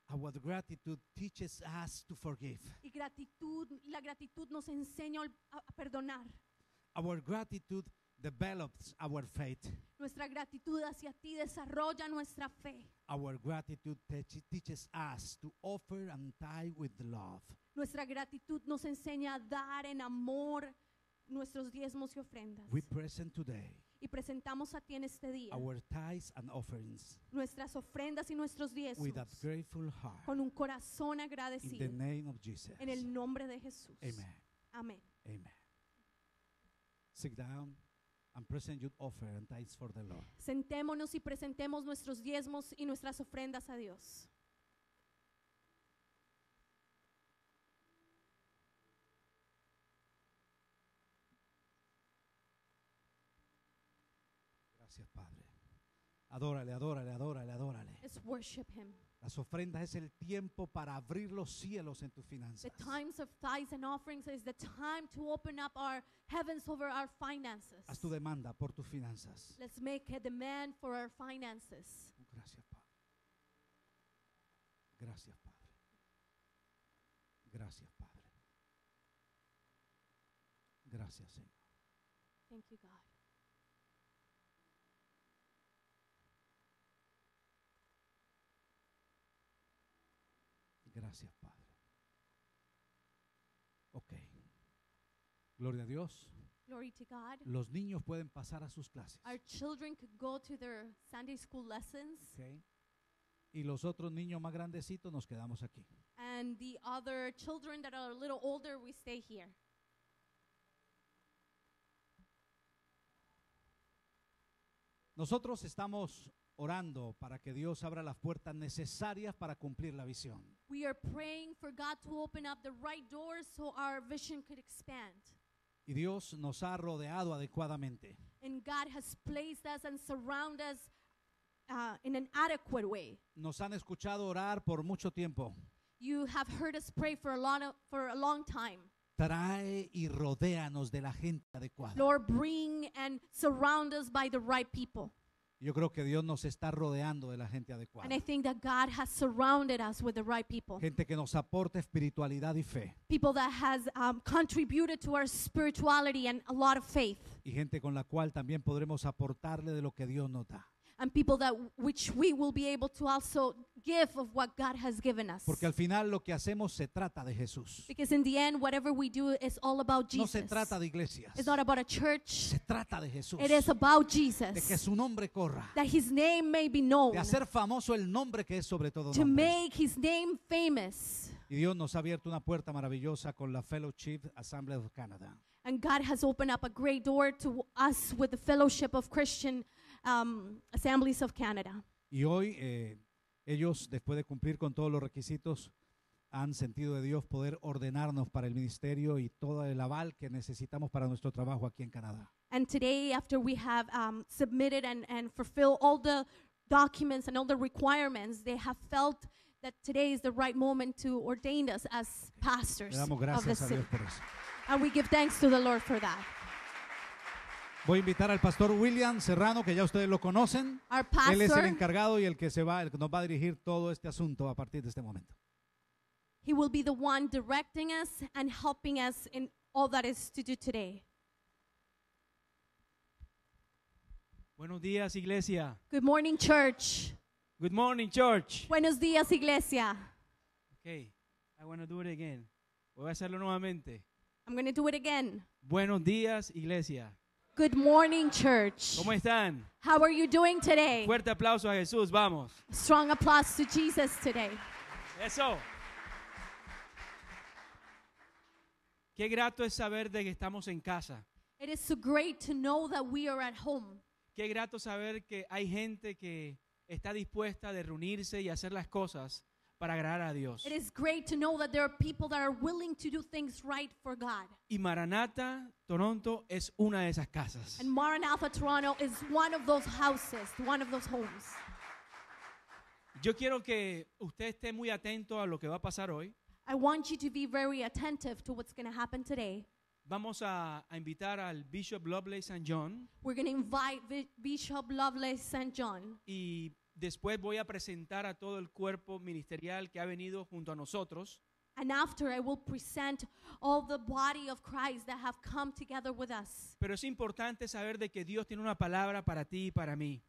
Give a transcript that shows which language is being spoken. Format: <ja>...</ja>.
<en>Our gratitude teaches us to forgive.</en> <es>Y la gratitud nos enseña a perdonar.</es> <en>Our gratitude develops our faith.</en> <es>Nuestra gratitud hacia ti desarrolla nuestra fe.</es> <en>Our gratitude teaches us to offer and tie with love.</en> <es>Nuestra gratitud nos enseña a dar en amor nuestros diezmos y ofrendas.</es> <en>We present today.</en> <es>Y presentamos a ti en este día.</es> <en>Our tithes and offerings.</en> <es>Nuestras ofrendas y nuestros diezmos.</es> <en>With a grateful heart.</en> <es>Con un corazón agradecido.</es> <en>In the name of Jesus.</en> <es>En el nombre de Jesús.</es> <en>Amen. Amén. Amen. Sit down and present your offering and tithes for the Lord.</en> <es>Sentémonos y presentemos nuestros diezmos y nuestras ofrendas a Dios. Gracias, Padre. Adórale, adórale, adórale, adórale.</es> <en>Let's worship him.</en> <es>Las ofrendas es el tiempo para abrir los cielos en tus finanzas.</es> <en>The times of tithes and offerings is the time to open up our heavens over our finances.</en> <es>Haz tu demanda por tus finanzas.</es> <en>Let's make a demand for our finances.</en> <es>Gracias, Padre. Gracias, Padre. Gracias, Padre. Gracias, Señor.</es> <en>Thank you, God.</en> <es>Gracias, Padre. Ok. Gloria a Dios.</es> <en>Glory to God.</en> <es>Los niños pueden pasar a sus clases.</es> <en>Our children could go to their Sunday school lessons. Okay.</en> <es>Y los otros niños más grandecitos nos quedamos aquí.</es> <en>And the other children that are a little older, we stay here.</en> <es>Nosotros estamos orando para que Dios abra las puertas necesarias para cumplir la visión.</es> <en>We are praying for God to open up the right doors so our vision could expand.</en> <es>Y Dios nos ha rodeado adecuadamente.</es> <en>And God has placed us and surrounded us in an adequate way.</en> <es>Nos han escuchado orar por mucho tiempo.</es> <en>You have heard us pray for a long time.</en> <es>Trae y rodéanos de la gente adecuada.</es> <en>Lord, bring and surround us by the right people.</en> <es>Yo creo que Dios nos está rodeando de la gente adecuada.</es> <en>And I think that God has surrounded us with the right people.</en> <es>Gente que nos aporte espiritualidad y fe.</es> <en>People that has contributed to our spirituality and a lot of faith.</en> <es>Y gente con la cual también podremos aportarle de lo que Dios nos da.</es> <en>And people that which we will be able to also give of what God has given us.</en> <es>Porque al final lo que hacemos se trata de Jesús.</es> <en>Because in the end, whatever we do is all about Jesus.</en> <es>No se trata de iglesias.</es> <en>It's not about a church.</en> <es>Se trata de Jesús.</es> <en>It is about Jesus.</en> <es>De que su nombre corra.</es> <en>That his name may be known.</en> <es>De hacer famoso el nombre que es sobre todo nombre.</es> <en>To make his name famous.</en> <es>Y Dios nos ha abierto una puerta maravillosa con la Fellowship Assembly of Canada.</es> <en>And God has opened up a great door to us with the Fellowship of Christian Assemblies of Canada.</en> <es>Y hoy ellos, después de cumplir con todos los requisitos, han sentido de Dios poder ordenarnos para el ministerio y todo el aval que necesitamos para nuestro trabajo aquí en Canadá.</es> <en>And today, after we have submitted and fulfilled all the documents and all the requirements, they have felt that today is the right moment to ordain us as pastors.</en> <es>Le damos gracias a Dios por eso.</es> <en>And we give thanks to the Lord for that.</en> <es>Voy a invitar al pastor William Serrano, que ya ustedes lo conocen.</es> <en>Our pastor,</en> <es>él es el encargado y el que nos va a dirigir todo este asunto a partir de este momento.</es> <en>He will be the one directing us and helping us in all that is to do today.</en> <es>Buenos días, iglesia.</es> <en>Good morning, church. Good morning, church.</en> <es>Buenos días, iglesia.</es> <en>Okay, I want to do it again.</en> <es>Voy a hacerlo nuevamente.</es> <en>I'm going to do it again.</en> <es>Buenos días, iglesia.</es> <en>Good morning, church.</en> <es>¿Cómo están?</es> <en>How are you doing today?</en> <es>Fuerte aplauso a Jesús, vamos.</es> <en>Strong applause to Jesus today.</en> <es>Eso. Qué grato es saber de que estamos en casa.</es> <en>It is so great to know that we are at home.</en> <es>Qué grato saber que hay gente que está dispuesta de reunirse y hacer las cosas para agradar a Dios.</es> <en>It is great to know that there are people that are willing to do things right for God.</en> <es>Y Maranatha, Toronto es una de esas casas.</es> <en>And Maranatha, Toronto is one of those houses, one of those homes.</en> <es>Yo quiero que usted esté muy atento a lo que va a pasar hoy.</es> <en>I want you to be very attentive to what's going to happen today.</en> <es>Vamos a invitar al Bishop Lovelace St. John.</es> <en>We're going to invite Bishop Lovelace St. John.</en> <es>Y después voy a presentar a todo el cuerpo ministerial que ha venido junto a nosotros.</es> <en>And after I will present all the body of Christ that have come together with us.</en> <es>Pero es importante saber de que Dios tiene una palabra para ti y para mí.</es>